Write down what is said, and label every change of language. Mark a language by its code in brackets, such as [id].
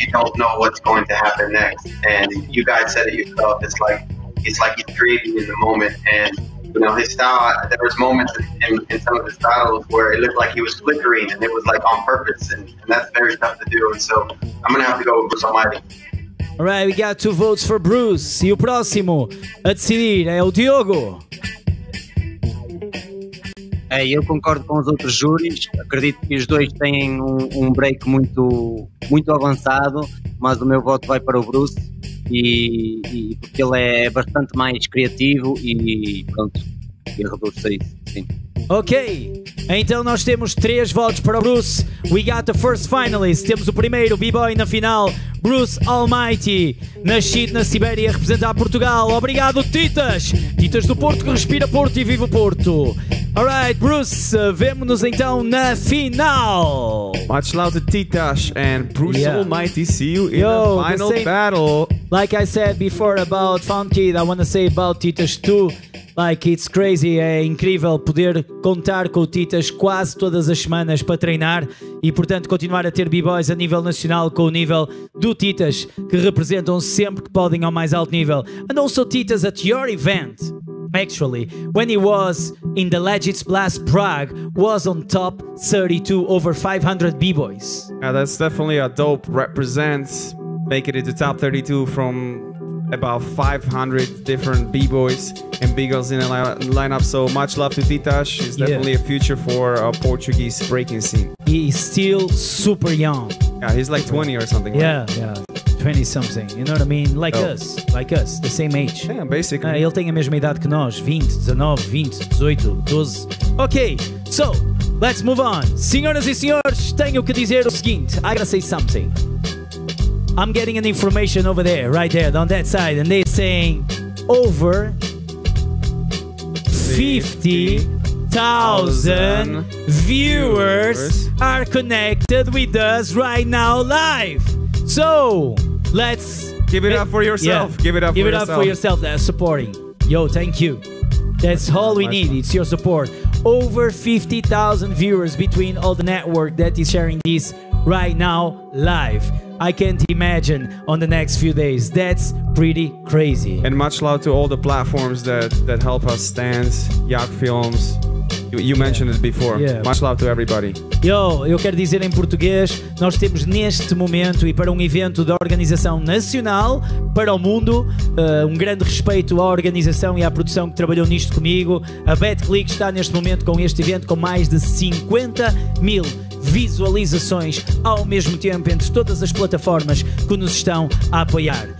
[en] You don't know what's going to happen next, and you guys said it yourself, it's like he's creating in the moment. And you know, his style, there was moments in some of his battles where it looked like he was flickering, and it was like on purpose, and that's very tough to do. And so I'm gonna have to go with Bruce Almighty. Alright, we got 2 votes for Bruce. [pt] E o próximo a decidir é o Diogo. É, eu concordo com os outros júris, acredito que os dois têm um break muito, muito avançado, mas o meu voto vai para o Bruce, e porque ele é bastante mais criativo e pronto, eu reforço isso, sim. Ok, então nós temos 3 votos para o Bruce. [en] We got the first finalist, [pt] temos o primeiro B-boy na final, Bruce Almighty, nascido na Sibéria, representar Portugal. Obrigado, Titas! Titas do Porto, que respira Porto e vive o Porto. Alright, Bruce, vemo-nos então na final. [en] Much love to Titas and Bruce Almighty. See you in the final battle. Like I said before about Funkid, I want to say about Titas too. Like, it's crazy, [pt] é incrível poder contar com o Titas quase todas as semanas para treinar e, portanto, continuar a ter b-boys a nível nacional com o nível do Titas, que representam sempre que podem ao mais alto nível. [en] And also Titas at your event, actually, when he was in the Legends Blast Prague, was on top 32 over 500 b-boys. Yeah, that's definitely a dope represent, making it to top 32 from about 500 different b-boys and b-girls in the lineup. So much love to Titas. He's definitely a future for a Portuguese breaking scene. He's still super young. Yeah, he's like 20 or something. Yeah, right? Yeah, 20 something. You know what I mean? Like us. Like us. The same age. Yeah, basically. [pt] Ele tem a mesma idade que nós. 20, 19, 20, 18, 12. [en] Okay, so let's move on. [pt] Senhoras e senhores, tenho que dizer o seguinte. [en] I gotta say something. I'm getting an information over there, right there, on that side, and they're saying over 50,000 viewers are connected with us right now live. So let's give it up for yourself. Yeah, give it up for yourself. That's supporting. Yo, thank you. That's all we need. It's your support. over 50,000 viewers between all the network that is sharing this right now live. I can't imagine on the next few days. That's pretty crazy. And much love to all the platforms that help us, Stans, Yacht Films. You mentioned it before. Yeah. Much love to everybody. [pt] Yo, eu quero dizer em português, nós temos neste momento e para um evento da organização nacional para o mundo, um grande respeito à organização e à produção que trabalhou nisto comigo. A Betclic está neste momento com este evento com mais de 50 mil visualizações ao mesmo tempo entre todas as plataformas que nos estão a apoiar.